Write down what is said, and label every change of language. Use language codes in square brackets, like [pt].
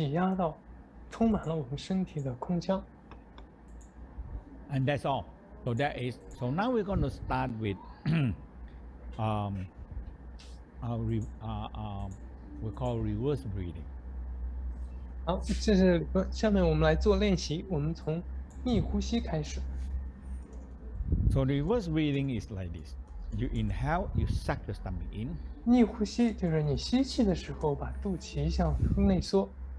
[zh] 这种氮气是可以充满我们身体的空间。你可以训练把它积累，挤压到充满了我们身体的空腔。 [en] And that's all. So that is. So now we're going to start with, we call reverse breathing. [zh] 好，这是下面我们来做练习。我们从逆呼吸开始。 [en] So reverse breathing is like this. You inhale, you suck your stomach in. [zh] 逆呼吸就是你吸气的时候把肚脐向内缩。